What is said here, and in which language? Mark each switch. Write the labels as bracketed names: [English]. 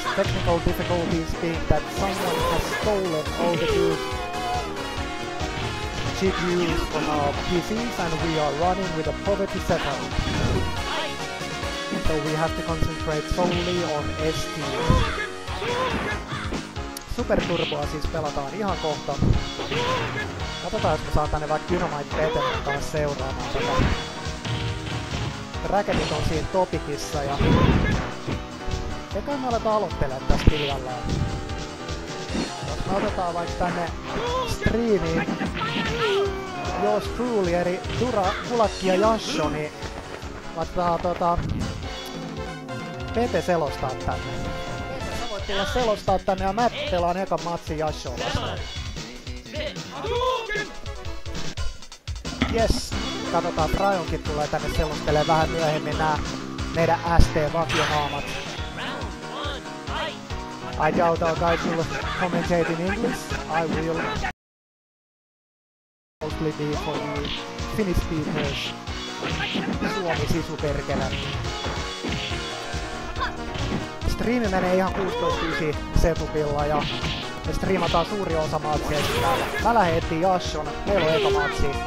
[English] Technical difficulties being that someone has stolen all the good GPUs from our PCs and we are running with a poverty setup. So we have to concentrate solely on STs. [Finnish] Super Turboa siis pelataan ihan kohta. Katsotaan, että saa tänne vaikka Dynamite Peten kanssa seuraamaan tätä. Raketit on siinä topikissa ja... Eiköhän me aleta aloittelemaan tässä tilalla. Jos me otetaan vaikka tänne striimiin... Jos Truly eli Dura, Kulakki ja Jasho, niin... Laitetaan Pete selostaa tänne. Pete, sä voit tulla selostaa tänne ja mä pelaan ekan matsin Jasho vastaan. Yes, katsotaan, Brionkin tulee tänne selostelemaan vähän myöhemmin nää meidän ST-vakionaamat. [English] I doubt our guys will commentate in English. I will mostly be for the Finnish speakers. [Finnish] Suomi sisu perkele. Striimi menee ihan 69 setupilla ja me striimataan suuri osa matseista. Mä lähden etsiin Jashon, meillä on eka matsi.